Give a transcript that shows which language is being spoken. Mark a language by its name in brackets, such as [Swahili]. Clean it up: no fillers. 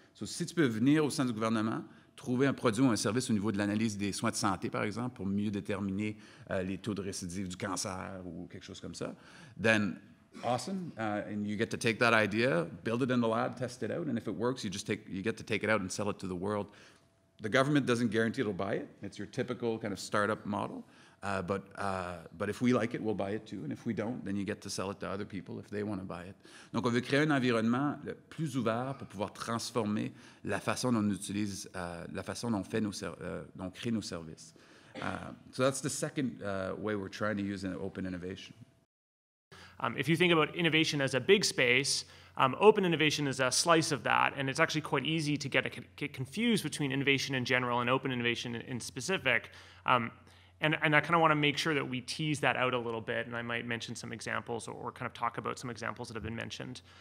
[English] So [French] si tu peux venir au sein du gouvernement, trouver un produit ou un service au niveau de l'analyse des soins de santé, par exemple, pour mieux déterminer les taux de récidive du cancer ou quelque chose comme ça, [English] then awesome, and you get to take that idea, build it in the lab, test it out, and if it works, you get to take it out and sell it to the world. The government doesn't guarantee it'll buy it. It's your typical kind of startup model, But if we like it, we'll buy it too. And if we don't, then you get to sell it to other people if they want to buy it. [French] Donc, on veut créer un environnement plus ouvert pour pouvoir transformer la façon dont on utilise, la façon dont on fait nos, dont on crée nos services. [English] So that's the second way we're trying to use an open innovation. If you think about innovation as a big space, open innovation is a slice of that, and it's actually quite easy to get confused between innovation in general and open innovation in specific. And I kind of want to make sure that we tease that out a little bit, and I might mention some examples or kind of talk about some examples that have been mentioned.